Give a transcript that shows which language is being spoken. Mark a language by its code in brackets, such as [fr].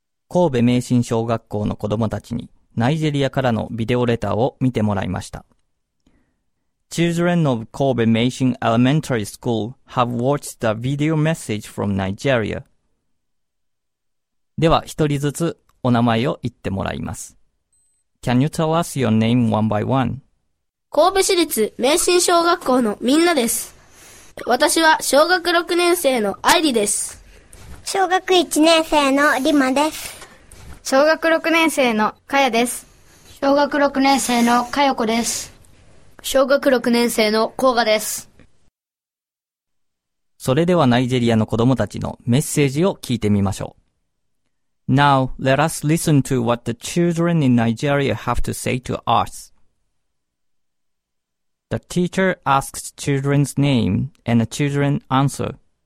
[ja] 神戸明新小学校の子どもたちにナイジェリアからのビデオレターを見てもらいました。 [en] Children of Kobe Meishin Elementary School have watched the video message from Nigeria. [ja] では一人ずつお名前を言ってもらいます。 [en] Can you tell us your name one by one? [ja] 神戸市立明新小学校のみんなです。私は小学6年生の愛理です。小学1年生のリマです。小学6年生のかやです。小学6年生のかよこです。小学6年生のこうがです。それではナイジェリアの子どもたちのメッセージを聞いてみましょう。 [en] Now let us listen to what the children in Nigeria have to say to usThe teacher asks children's name and the children answer.